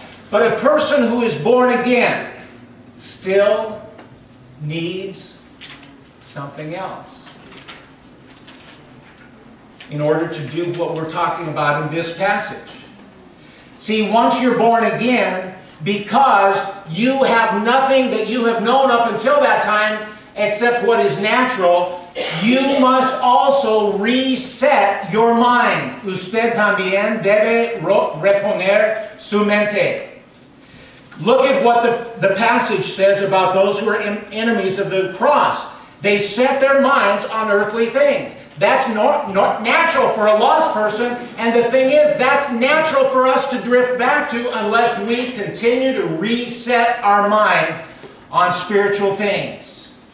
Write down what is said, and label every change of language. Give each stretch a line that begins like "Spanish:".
English: But a person who is born again still needs something else in order to do what we're talking about in this passage. See, once you're born again, because you have nothing that you have known up until that time except what is natural, You must also reset your mind.
Spanish: Usted también debe reponer su mente.
English: Look at what the passage says about those who are enemies of the cross. They set their minds on earthly things. That's not natural for a lost person. And the thing is, that's natural for us to drift back to unless we continue to reset our mind on spiritual things.